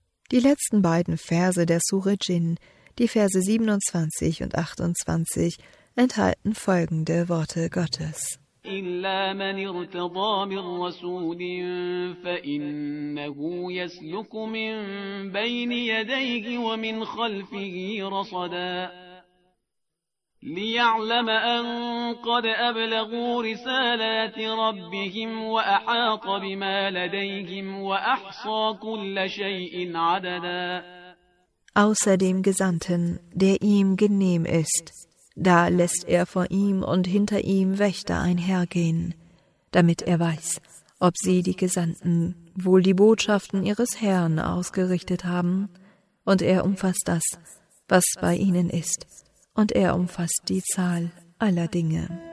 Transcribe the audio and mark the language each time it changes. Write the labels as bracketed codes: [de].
[de] Die letzten beiden Verse der Sure Jin, die Verse 27 und 28, enthalten folgende Worte Gottes. [ar] إلا من ارتضى من رسول فإنه يسلك من بين يديه ومن خلفه رصدا ليعلم أن قد أبلغوا رسالات ربهم وأحاط بما لديهم وأحصى كل شيء عددا. [de] Außer dem Gesandten, der ihm genehm ist, da lässt er vor ihm und hinter ihm Wächter einhergehen, damit er weiß, ob sie, die Gesandten, wohl die Botschaften ihres Herrn ausgerichtet haben, und er umfasst das, was bei ihnen ist, und er umfasst die Zahl aller Dinge.